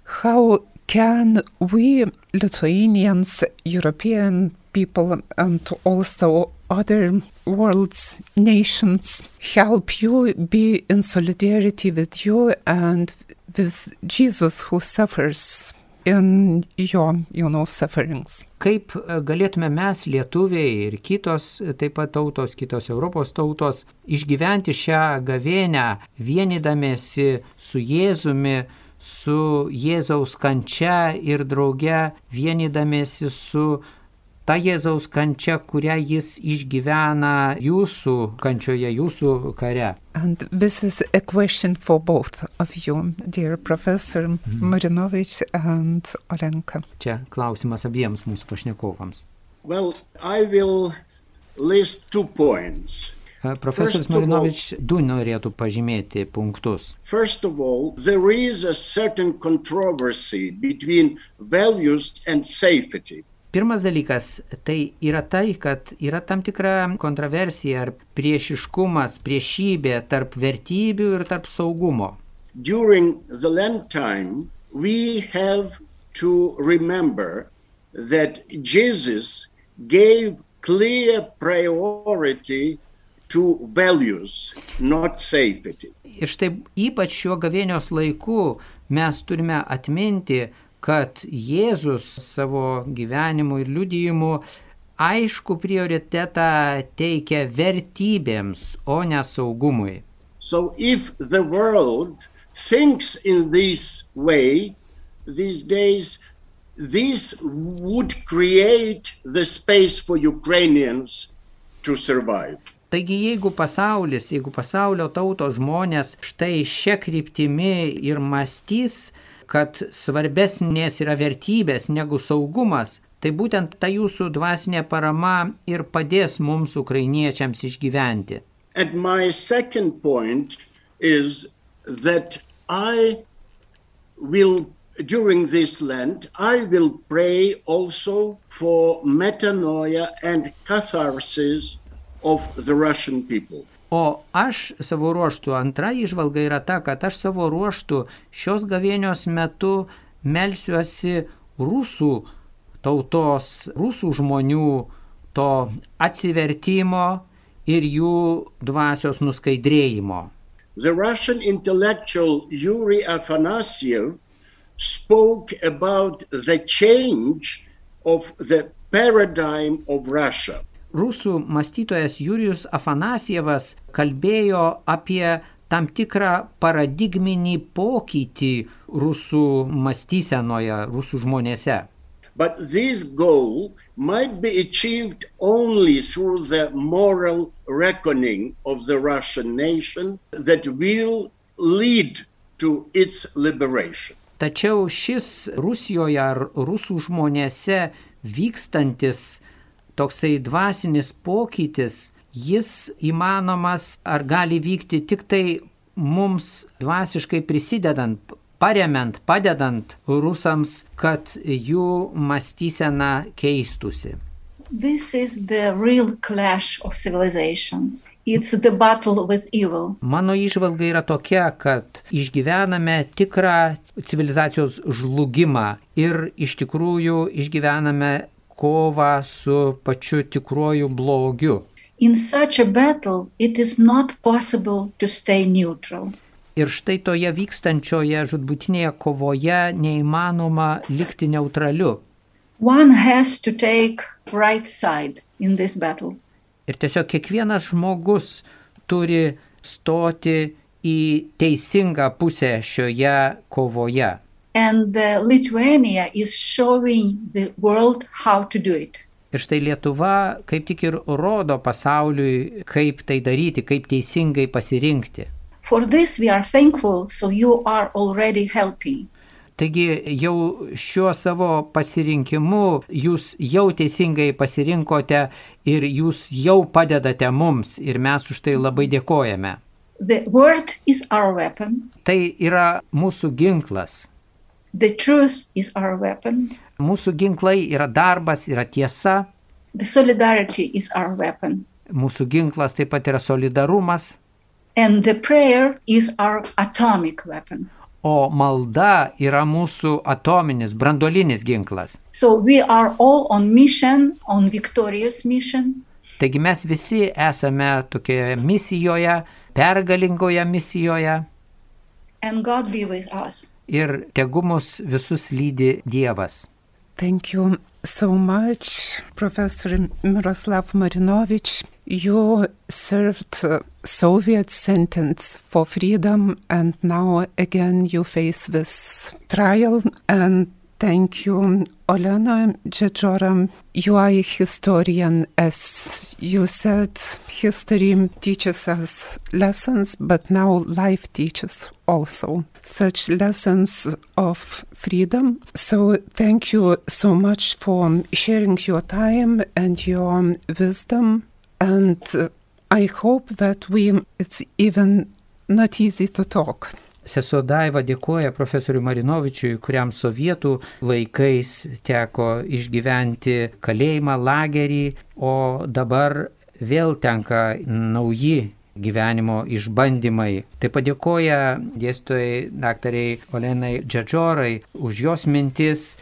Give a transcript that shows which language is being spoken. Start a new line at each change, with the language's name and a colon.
English: How can we Lithuanians, European people and also other world's nations help you be in solidarity with you and with Jesus who suffers in your, you know, sufferings?
Lithuanian: Kaip galėtume mes, lietuviai ir kitos taip pat tautos, kitos Europos tautos, išgyventi šią gavėnę vienydamėsi su Jėzumi, su Jėzaus kančia ir drauge vienydamėsi su ta Jėzaus kančia, kurią jis išgyvena jūsų kančioje, jūsų kare.
English: And this is a question for both of you, dear Professor Marinovich and Olenka.
Lithuanian: Čia klausimas abiems mūsų pašnekovams.
English: Well, I will list two points.
Lithuanian: Profesorius Marinovich du norėtų pažymėti punktus.
English: First of all, there is a certain controversy between values and safety.
Lithuanian: Pirmas dalykas, tai yra tai, kad yra tam tikra kontroversija ar priešiškumas, priešybė tarp vertybių ir tarp saugumo.
English: During the Lent time, we have to remember that Jesus gave clear priority to values, not safety.
Lithuanian: Ir štai ypač šiuo gavėnios laiku mes turime atminti, kad Jėzus savo gyvenimu ir liudijimu aišku prioritetą teikia vertybėms, o ne saugumui.
English: So if the world thinks in this way these days, this would create the space for Ukrainians to survive.
Lithuanian: Taigi, jeigu pasaulis, jeigu pasaulio tautos žmonės štai šia kryptimi ir mąstys, kad svarbesnės yra vertybės negu saugumas, tai būtent ta jūsų dvasinė parama ir padės mums ukrainiečiams išgyventi.
English: And my second point is that I will during this Lent I will pray also for metanoia and catharsis of the Russian people.
Lithuanian: O aš savo ruoštų, antra išvalga yra ta, kad aš savo ruoštų šios gavėnios metu melsiuosi rusų tautos, rusų žmonių to atsivertimo ir jų dvasios nuskaidrėjimo.
English: The Russian intellectual Yuri Afanasyev spoke about the change of the paradigm of Russia.
Lithuanian: Rusų mąstytojas Jurijus Afanasievas kalbėjo apie tam tikrą paradigminį pokytį rusų mąstysenoje, rusų žmonėse.
English: But this goal might be achieved only through the moral reckoning of the Russian nation that will lead to its liberation.
Lithuanian: Tačiau šis Rusijoje ar rusų žmonėse vykstantis toksai dvasinis pokytis, jis įmanomas ar gali vykti tik tai mums dvasiškai prisidedant, paremiant, padedant rusams, kad jų mąstysena keistusi.
English: This is the real clash of civilizations. It's the battle with evil.
Lithuanian: Mano įžvalga yra tokia, kad išgyvename tikrą civilizacijos žlugimą ir iš tikrųjų išgyvename kova su pačiu tikruoju blogiu.
English: In such a battle it is not possible to stay neutral.
Lithuanian: Ir štai toje vykstančioje žudbutinėje kovoje neįmanoma likti neutraliu.
English: One has to take right side in this battle.
Lithuanian: Ir tiesiog kiekvienas žmogus turi stoti į teisingą pusę šioje kovoje.
English: And Lithuania is showing the world how to do it.
Lithuanian: Ir štai Lietuva kaip tik ir rodo pasauliui, kaip tai daryti, kaip teisingai pasirinkti.
English: For this we are thankful, so you are already helping.
Lithuanian: Taigi jau šiuo savo pasirinkimu jūs jau teisingai pasirinkote ir jūs jau padedate mums ir mes už tai labai dėkojame.
English: The word is our weapon.
Lithuanian: Tai yra mūsų ginklas.
English: The truth is our weapon.
Lithuanian: Mūsų ginklai yra darbas, yra tiesa.
English: The solidarity is our weapon.
Lithuanian: Mūsų ginklas taip pat yra solidarumas.
English: And the prayer is our atomic weapon.
Lithuanian: O malda yra mūsų atominis, branduolinis ginklas.
English: So we are all on mission, on victorious mission.
Lithuanian: Taigi mes visi esame tokioje misijoje, pergalingoje misijoje.
English: And God be with us.
Lithuanian: Ir tegu mus visus lydi Dievas.
English: Thank you so much, Professor Miroslav Marinovic. You served Soviet sentence for freedom and now again you face this trial. And thank you, Olena Dzhedzhora. You are a historian, as you said. History teaches us lessons, but now life teaches also such lessons of freedom. So thank you so much for sharing your time and your wisdom. And I hope that it's even not easy to talk.
Lithuanian: Sesuo Daiva dėkoja profesoriui Marinovičiui, kuriam sovietų laikais teko išgyventi kalėjimą, lagerį, o dabar vėl tenka nauji gyvenimo išbandymai. Taip pat dėkoja dėstytojai daktarei Olenai Dzhedzhorai už jos mintis.